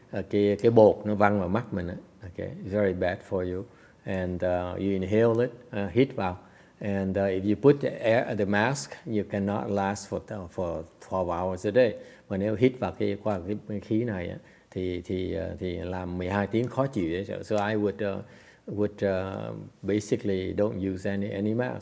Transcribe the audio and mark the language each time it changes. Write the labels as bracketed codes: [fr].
[vi] Cái bột nó văng vào mắt mình. [en] Okay, it's very bad for you, and you inhale it, [vi] hít vào, [en] and if you put the mask, you cannot last for 12 hours a day. [vi] Mà nếu hít vào cái khí này thì làm 12 tiếng khó chịu. [en] So I would basically don't use any mask.